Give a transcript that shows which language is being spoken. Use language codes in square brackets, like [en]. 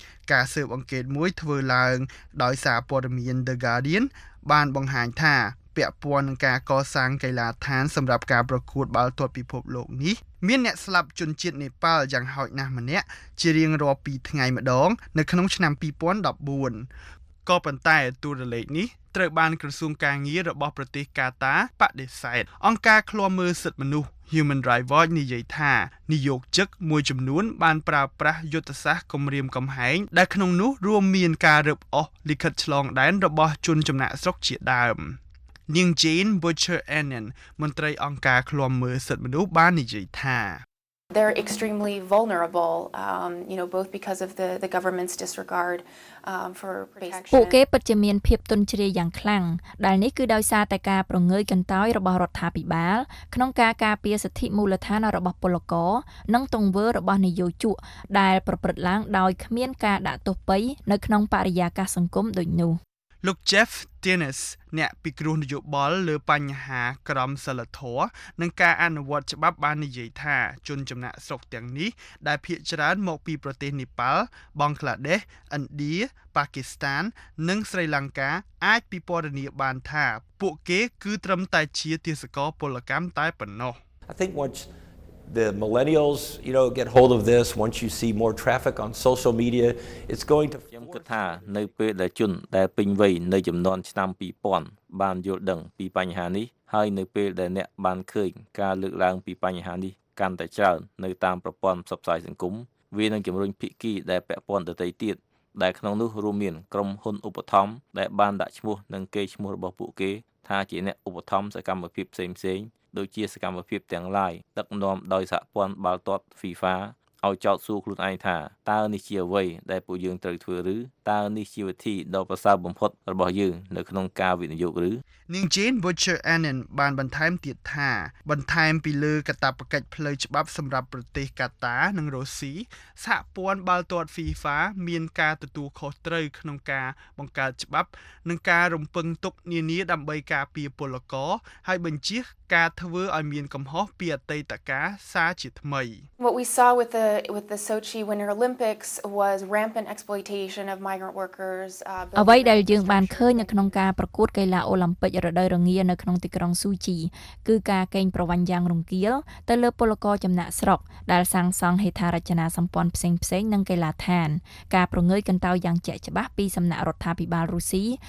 [km] ការស៊ើបអង្កេតមួយធ្វើឡើងដោយសារព័ត៌មាន The Guardian បានបង្ហាញថាពាក់ព័ន្ធនឹងការកសាងកីឡាឋានសម្រាប់ការប្រកួតបាល់ទាត់ពិភពលោកនេះមានអ្នកស្លាប់ជនជាតិនេប៉ាល់យ៉ាងហោចណាស់ម្នាក់ជារៀងរាល់2ថ្ងៃម្ដងនៅក្នុងឆ្នាំ2014ក៏ប៉ុន្តែតួលេខនេះត្រូវបានក្រសួងការងាររបស់ប្រទេសកាតាបដិសេធអង្គការឃ្លាំមើលសិទ្ធិមនុស្ស Human Rights Watch និយាយថា នាយកជឹកមួយចំនួនបានប្រើប្រាស់យុទ្ធសាស្ត្រគំរាមកំហែងដែលក្នុងនោះរួមមានការរឹបអូសលិខិតឆ្លងដែនរបស់ជនចំណាក់ស្រុកជាដើមនាង Jane Butcher Annan មន្ត្រីអង្គការឃ្លាំមើលសិទ្ធិមនុស្សបាននិយាយថា [en] They're extremely vulnerable, you know, both because of the government's disregard for protection. [km] ពួកគេពិតជាមានភាពទន់ជ្រាយយ៉ាងខ្លាំងដែលនេះគឺដោយសារតែការប្រងើយកន្តើយរបស់រដ្ឋាភិបាលក្នុងការការពារសិទ្ធិមូលដ្ឋានរបស់ពលករនិងទង្វើរបស់នយោជកដែលប្រព្រឹត្តឡើងដោយគ្មានការដាក់ទោសពៃនៅក្នុងបរិយាកាសសង្គមដូចនោះ លោក Jeff Dennis អ្នកពិគ្រោះនយោបល់លើបញ្ហាក្រមសីលធម៌និងការអនុវត្តច្បាប់បាននិយាយថាជនចំណាក់ស្រុកទាំងនេះដែលភាគច្រើនមកពីប្រទេសនេប៉ាល់បង់ក្លាដេសឥណ្ឌាប៉ាគីស្ថាននិងស្រីលង្កាអាចពិពណ៌នាបានថាពួកគេគឺត្រឹមតែជាទាសករពលកម្មតែប៉ុណ្ណោះ [en] I think what the millennials you know get hold of this once you see more traffic on social media it's going to [km] ខ្ញុំគិតថានៅពេលដែលជនដែលពេញវ័យនៅចំនួនឆ្នាំ2000បានយល់ដឹងពីបញ្ហានេះហើយនៅពេលដែលអ្នកបានឃើញការលើកឡើងពីបញ្ហានេះកាន់តែច្រើននៅតាមប្រព័ន្ធផ្សព្វផ្សាយសង្គមវានឹងជំរុញភាគីដែលពាក់ព័ន្ធទៅទៀត ដែលក្នុងនោះរួមមានក្រុមហ៊ុនឧបត្ថម្ភដែលបានដាក់ឈ្មោះនិងកេរ្តិ៍ឈ្មោះរបស់ពួកគេថាជាអ្នកឧបត្ថម្ភសកម្មភាពផ្សេងៗដូចជាសកម្មភាពទាំងឡាយដឹកនាំដោយសហព័ន្ធបាល់ទាត់ FIFA ឲ្យចោទសួរខ្លួនឯងថាតើនេះជាអ្វីដែលពួកយើងត្រូវធ្វើឬតើនេះជាវិធីដ៏ប្រសើរបំផុតរបស់យើងនៅក្នុងការវិនិយោគឬ នាង Jane Butcher Annan បានបន្ថែមទៀតថាបន្ថែមពីលើកាតព្វកិច្ចផ្លូវច្បាប់សម្រាប់ប្រទេសកាតានិងរុស្ស៊ីសហព័ន្ធបាល់ទាត់ FIFA មានការទទួលខុសត្រូវក្នុងការបង្កើតច្បាប់និងការរំពឹងទុកនានាដើម្បីការពារពលករហើយបញ្ជាក់ការធ្វើឲ្យមានកំហុសពីអតីតកាលសារជាថ្មី [en] What we saw with the Sochi Winter Olympics was rampant exploitation of migrant workers. [km] អ្វីដែលយើងបានឃើញនៅក្នុងការប្រកួតកីឡាអូឡ িম ពិករដូវរងានៅក្នុងទីក្រុងស៊ូជីគឺការកេងប្រវ័ញ្ចយ៉ាងរង្គាលទៅលើពលករចំណាក់ស្រុកដែលសាងសង់ហេដ្ឋារចនាសម្ព័ន្ធផ្សេងៗនិងកីឡាឋានការប្រងើយកន្តើយយ៉ាងជាក់ច្បាស់ពីសំណាក់រដ្ឋាភិបាលរុស្ស៊ី